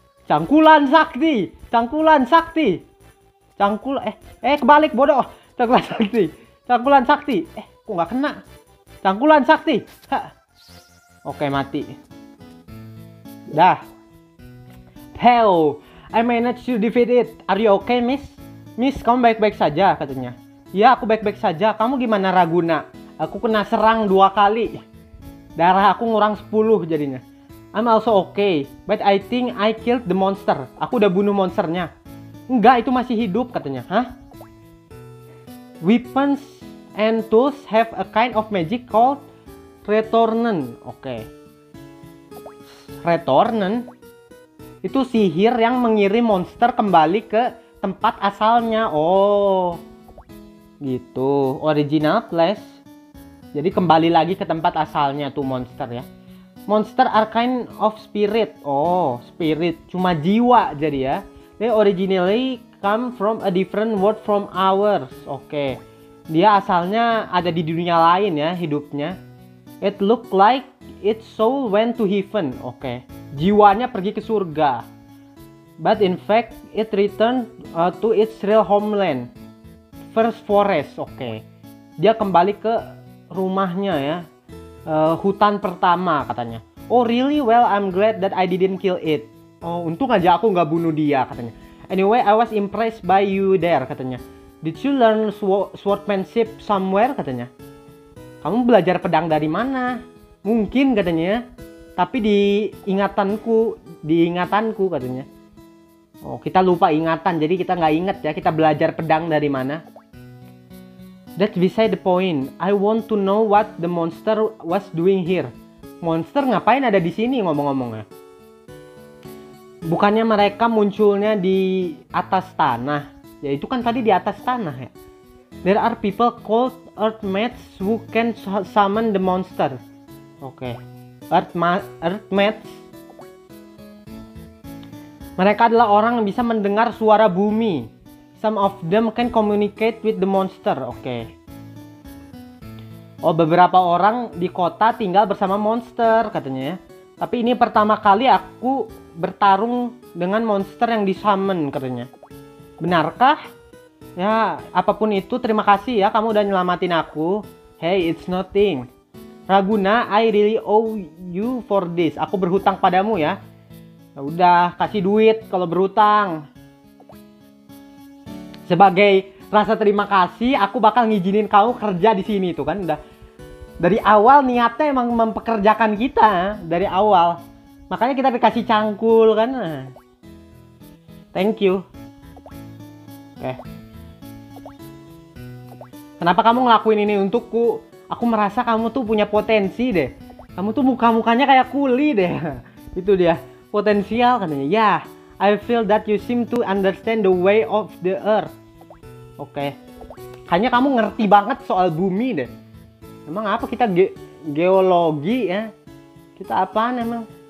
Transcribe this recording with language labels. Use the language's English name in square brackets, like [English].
[Indonesian] Cangkulan sakti! Cangkulan sakti! Cangkul... kebalik bodoh! Cangkulan sakti! Cangkulan sakti! Kok nggak kena? Cangkulan sakti! Ha. Oke, mati. Dah. [English] Hell, I managed to defeat it. Are you okay, Miss? [Indonesian] Miss, kamu baik-baik saja, katanya. Ya, aku baik-baik saja. Kamu gimana, Raguna? Aku kena serang 2 kali. Darah aku ngurang 10 jadinya. [English] I'm also okay, but I think I killed the monster. [Indonesian] Aku udah bunuh monsternya. Enggak, itu masih hidup, katanya. Hah? [English] Weapons and tools have a kind of magic called [Indonesian] Retornen. Oke. Retornen itu sihir yang mengirim monster kembali ke tempat asalnya. Oh. Gitu. [English] Original place. [Indonesian] Jadi kembali lagi ke tempat asalnya tuh monster ya. [English] Monster are kind of spirit. Oh, spirit. [Indonesian] Cuma jiwa jadi ya. [English] They originally come from a different world from ours. Oke. [Indonesian] Dia asalnya ada di dunia lain ya hidupnya. [English] It look like its soul went to heaven. Oke. [Indonesian] Jiwanya pergi ke surga. [English] But in fact, it returned to its real homeland. First forest. Oke. [Indonesian] Dia kembali ke rumahnya ya. Hutan pertama katanya. [English] Oh really? Well, I'm glad that I didn't kill it. [Indonesian] Oh, untung aja aku gak bunuh dia katanya. [English] Anyway, I was impressed by you there [Indonesian] katanya. [English] Did you learn swordsmanship somewhere [Indonesian] katanya? Kamu belajar pedang dari mana? Mungkin katanya. Tapi di ingatanku katanya. Oh, kita lupa ingatan, jadi kita gak ingat ya kita belajar pedang dari mana. [English] That's beside the point. I want to know what the monster was doing here. [Indonesian] Monster ngapain ada di sini ngomong-ngomongnya? Bukannya mereka munculnya di atas tanah? Ya itu kan tadi di atas tanah ya. [English] There are people called Earthmates who can summon the monster. Oke. Okay. Earthmates. [Indonesian] Mereka adalah orang yang bisa mendengar suara bumi. [English] Some of them can communicate with the monster. Oke. [Indonesian] Okay. Oh, beberapa orang di kota tinggal bersama monster katanya ya. Tapi ini pertama kali aku bertarung dengan monster yang disummon katanya. Benarkah? Ya, apapun itu terima kasih ya kamu udah nyelamatin aku. [English] Hey, it's nothing. Raguna, I really owe you for this. [Indonesian] Aku berhutang padamu ya. Ya udah, kasih duit kalau berhutang. Sebagai rasa terima kasih, aku bakal ngijinin kamu kerja di sini tuh kan. Udah dari awal niatnya emang mempekerjakan kita dari awal. Makanya kita dikasih cangkul kan. [English] Thank you. [Indonesian] Oke. Kenapa kamu ngelakuin ini untukku? Aku merasa kamu tuh punya potensi deh. Kamu tuh muka-mukanya kayak kuli deh. Itu dia, potensial katanya. [English] Ya, yeah, I feel that you seem to understand the way of the earth. [Indonesian] Oke. Kayaknya kamu ngerti banget soal bumi deh. Emang apa kita geologi ya? Kita apaan emang?